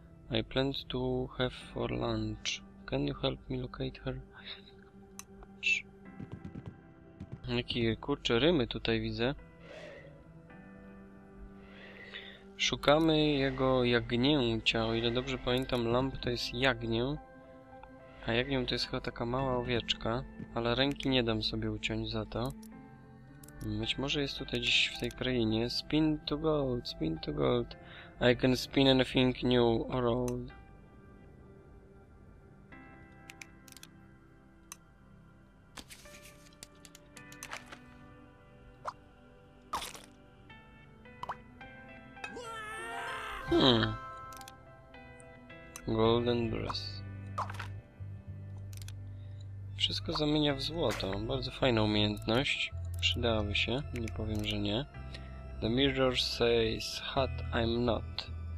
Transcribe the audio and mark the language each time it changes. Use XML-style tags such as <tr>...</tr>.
<en>I planned to have for lunch. Can you help me locate her?</en> <pl>Jakie kurcze rymy tutaj widzę. Szukamy jego jagnięcia, o ile dobrze pamiętam, lamb to jest jagnię. A jak wiem, to jest chyba taka mała owieczka, ale ręki nie dam sobie uciąć za to. Być może jest tutaj gdzieś w tej krainie.</pl> <en>Spin to gold, spin to gold. I can spin anything new or old. Golden Dress.</en> <pl>Wszystko zamienia w złoto. Bardzo fajna umiejętność. Przydałaby się, nie powiem, że nie.</pl> <en>The mirror says hot I'm not.</en>